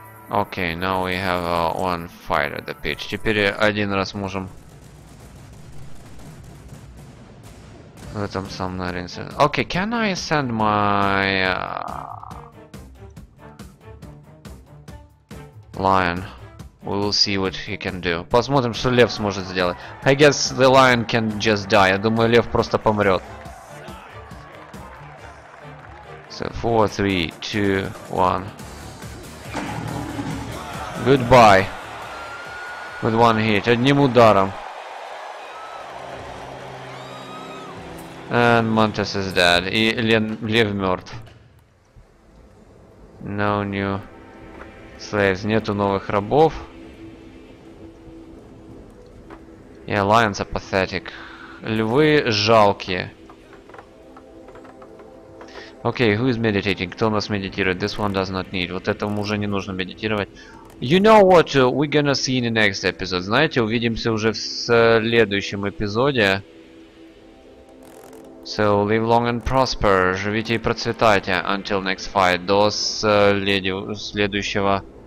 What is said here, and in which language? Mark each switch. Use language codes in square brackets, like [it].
[en] Okay, now we have one fight at the pitch. [ru] Теперь один раз можем в этом самом наринце. [en] Okay, can I send my lion? We will see what he can do. [ru] Посмотрим, что лев сможет сделать. [en] I guess the lion can just die. [ru] Я думаю, лев просто помрет. [en] So 4, 3, 2, 1. Goodbye. With one hit. [ru] Одним ударом. [en] And Montes is dead. [ru] И лев мертв. [en] No new slaves. [ru] Нету новых рабов. [en] Yeah, lions are pathetic. [ru] Львы жалкие. [en] Okay, who is meditating? [ru] Кто у нас медитирует? [en] This one does not need. [ru] Вот этому уже не нужно медитировать. [en] You know what, we're gonna see in the next episode. [ru] Знаете, увидимся уже в следующем эпизоде. [en] So, live long and prosper. [ru] Живите и процветайте. [en] Until next fight. [ru] До следующего.